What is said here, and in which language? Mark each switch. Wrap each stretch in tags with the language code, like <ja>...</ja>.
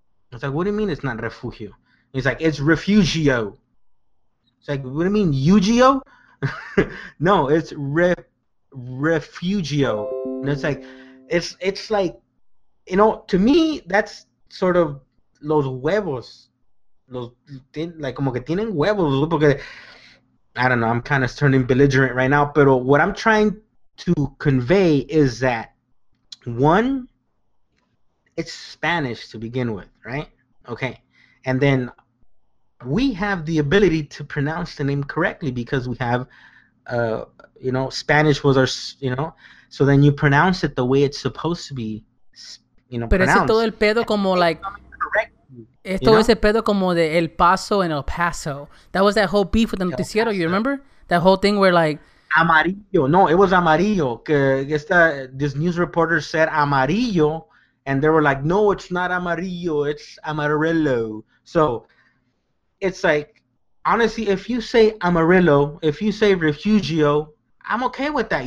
<en>I was like, what do you mean it's not Refugio? He's like, it's Refugio. It's like, what do you mean, Yugio? No, it's Refugio. And it's like, it's like, you know, to me, that's sort of los huevos.</en> <es>Los, like, como que tienen huevos. Porque,</es> <en>I don't know, I'm kind of turning belligerent right now. But what I'm trying to convey is that, one, it's Spanish to begin with, right? Okay. And then we have the ability to pronounce the name correctly because we have... you know, Spanish was our, you know, so then you pronounce it the way it's supposed to be, you know,</en> <es>pero</es> <en>pronounced.</en> <es>Pero todo el pedo como like, es todo ese pedo como de El Paso and El Paso.</es> <en>That was that whole beef with the noticiero, you remember? That whole thing where like... Amarillo. No, it was Amarillo. This news reporter said Amarillo, and they were like, no, it's not Amarillo, it's Amarillo. So, it's like, honestly, if you say Amarillo, if you say Refugio, I'm okay with that.</en>